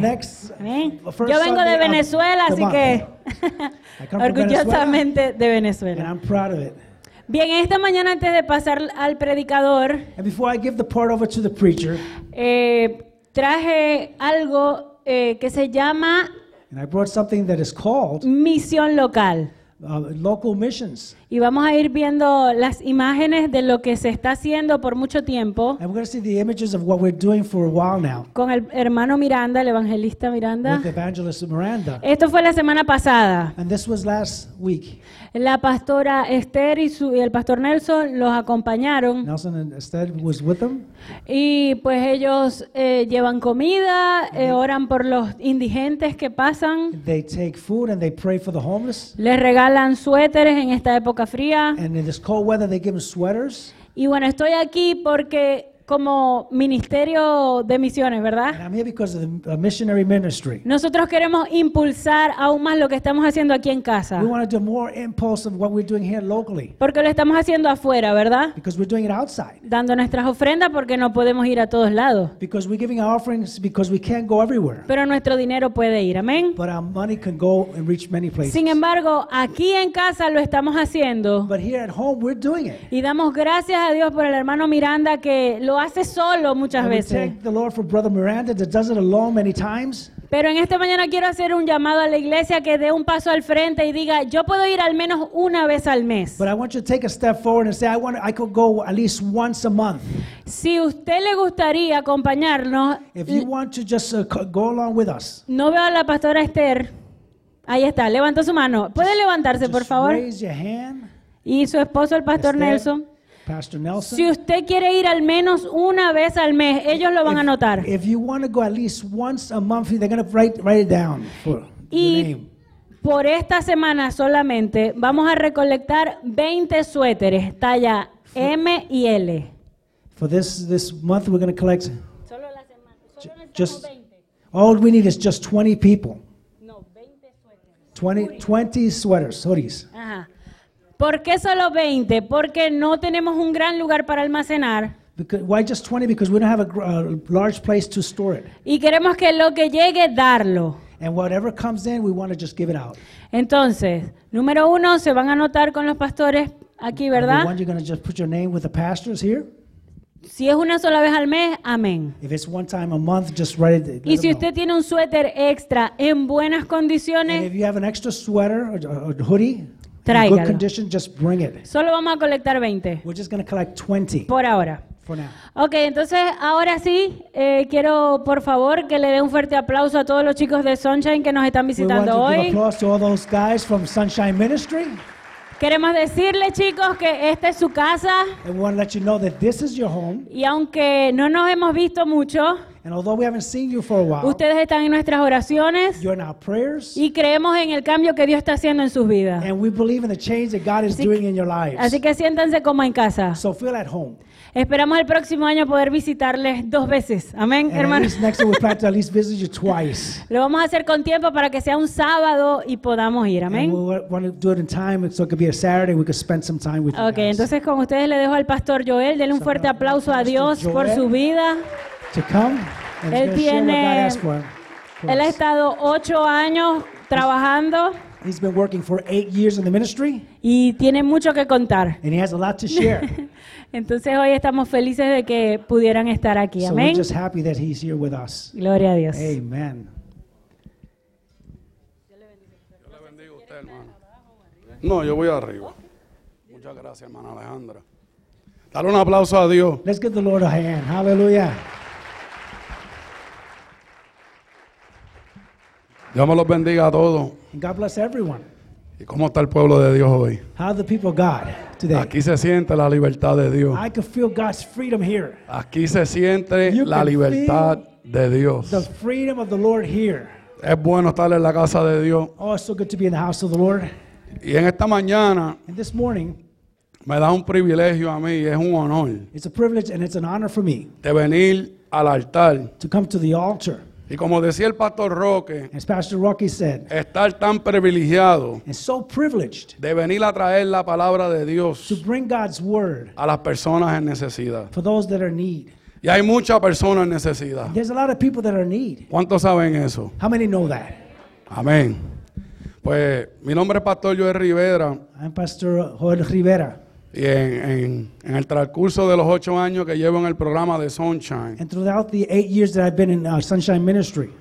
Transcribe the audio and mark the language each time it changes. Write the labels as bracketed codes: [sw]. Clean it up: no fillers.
[es] Yo vengo de Venezuela, así que orgullosamente de Venezuela. [en] And I'm proud of it. [es] Bien, esta mañana antes de pasar al predicador, [en] and before I give the part over to the preacher, [es] traje algo que se llama [en] and I brought something that is called [es] misión local. [en] Local missions. [es] Y vamos a ir viendo las imágenes de lo que se está haciendo por mucho tiempo. [en] And we're going to see the images of what we're doing for a while now. [es] Con el hermano Miranda, el evangelista Miranda. [en] With evangelist Miranda. [es] Esto fue la semana pasada. [en] And this was last week. [es] La pastora Esther y el pastor Nelson los acompañaron. [en] Nelson and Esther was with them. [es] Y pues ellos llevan comida, oran por los indigentes que pasan. [en] They take food and they pray for the homeless. [es] Les regalan suéteres en esta época fría. [en] And in this cold weather they give them sweaters. [es] Y bueno, estoy aquí porque como ministerio de misiones, ¿verdad? [en] And I'm here because of the missionary ministry. [es] Nosotros queremos impulsar aún más lo que estamos haciendo aquí en casa. [en] We want to do more impulse of what we're doing here locally. [es] Porque lo estamos haciendo afuera, ¿verdad? [en] Because we're doing it outside. [es] Dando nuestras ofrendas porque no podemos ir a todos lados. [en] Because we're giving our offerings because we can't go everywhere. [es] Pero nuestro dinero puede ir, amén. [en] But our money can go and reach many places. [es] Sin embargo, aquí en casa lo estamos haciendo. [en] But here at home we're doing it. [es] Y damos gracias a Dios por el hermano Miranda que lo hace solo muchas veces. [en] Thank the Lord for Brother Miranda that does it alone many times. [es] Pero en esta mañana quiero hacer un llamado a la iglesia que dé un paso al frente y diga, yo puedo ir al menos una vez al mes. [en] But I want you to take a step forward and say, I could go at least once a month. [es] Si usted le gustaría acompañarnos, [en] if you want to just go along with us. [es] No veo a la pastora Esther. Ahí está, levantó su mano. ¿Puede [en] just, [es] levantarse, por favor? [en] Raise your hand. [es] Y su esposo, el pastor [en] Esther. [es] Nelson. [en] Pastor Nelson. [es] Si usted quiere ir al menos una vez al mes, ellos lo van a anotar. [en] If you want to go at least once a month, they're going to write it down for your name. [es] Por esta semana solamente vamos a recolectar 20 suéteres talla M y L. [en] For this month we're going to collect [es] solo la semana. Solo necesitamos 20. [en] All we need is just 20 people. [es] No, 20 suéteres. [en] 20 sweaters, hoodies. [es] Ajá. ¿Por qué solo 20? Porque no tenemos un gran lugar para almacenar. [en] Because, why just 20? Because we don't have a large place to store it. [es] Y queremos que lo que llegue, darlo. [en] And whatever comes in, we want to just give it out. [es] Entonces, número uno, se van a anotar con los pastores aquí, ¿verdad? [en] Number one, you're going to just put your name with the pastors here. [es] Si es una sola vez al mes, amén. [en] If it's one time a month, just write it. [es] Y si usted tiene un suéter extra en buenas condiciones. [en] And if you have an extra sweater or hoodie. [es] Tráigalo. [en] In good condition, just bring it. [es] Solo vamos a colectar 20. [en] We're just going to collect 20. [es] Por ahora. [en] For now. [es] Okay, entonces ahora sí, quiero por favor que le dé un fuerte aplauso a todos los chicos de Sunshine que nos están visitando [en] we want [es] hoy. [en] To give applause to all those guys from Sunshine Ministry. [es] Queremos decirle, chicos, que esta es su casa. [en] And we want to let you know that this is your home. [es] Y aunque no nos hemos visto mucho, [en] and although we haven't seen you for a while, [es] ustedes están en nuestras oraciones. [en] You're in our prayers. [es] Y creemos en el cambio que Dios está haciendo en sus vidas. [en] And we believe in the change that God is doing in your lives. [es] Así que siéntanse como en casa. [en] So feel at home. [es] Esperamos el próximo año poder visitarles dos veces. Amén, hermano. [en] Next year we plan to at least visit you twice. [es] Lo vamos a hacer con tiempo para que sea un sábado y podamos ir. Amén. [en] And we want to do it in time so it could be a Saturday we could spend some time with okay, you. [es] Okay, entonces con ustedes le dejo al pastor Joel. Denle un fuerte aplauso a Dios por su vida. [en] To come and [es] él tiene, él ha estado 8 años trabajando. [en] He's been working for 8 years in the ministry. [es] Y tiene mucho que contar. [en] And he has a lot to share. [es] Entonces hoy estamos felices de que pudieran estar aquí. [en] So [es] amén. [en] So we're just happy that he's here with us. [es] Gloria a Dios. [en] Amen. [es] Yo le bendigo a usted, hermano. No, yo voy arriba. Muchas gracias, hermana Alejandra. Dale un aplauso a Dios. [en] Let's give the Lord a hand. Hallelujah. [es] Dios me los bendiga a todos. [en] And God bless everyone. [es] ¿Y cómo está el pueblo de Dios hoy? [en] How are the people of God today? [es] Aquí se siente la libertad de Dios. [en] I can feel God's freedom here. [es] Aquí se siente [en] you [es] la libertad de Dios. [en] The freedom of the Lord here. [es] Es bueno estar en la casa de Dios. [en] Oh, it's so good to be in the house of the Lord. [es] Y en esta mañana, [en] and this morning, [es] me da un privilegio a mí, es un honor. [en] It's a privilege and it's an honor for me. [es] De venir al altar. [en] To come to the altar. [es] Y como decía el pastor Roque, [en] as Pastor Rocky said, [es] estar tan privilegiado [en] and so privileged [es] de venir a traer la palabra de Dios [en] to bring God's word [es] a las personas en necesidad. [en] For those that are need. [es] Y hay muchas personas en necesidad. [en] There's a lot of people that are in need. [es] ¿Cuántos saben eso? [en] How many know that? [es] Amén. Pues mi nombre es Pastor Joel Rivera. [en] I'm Pastor Joel Rivera. [es] Y en el transcurso de los 8 años que llevo en el programa de Sunshine. [en] And throughout the 8 years that I've been in Sunshine Ministry.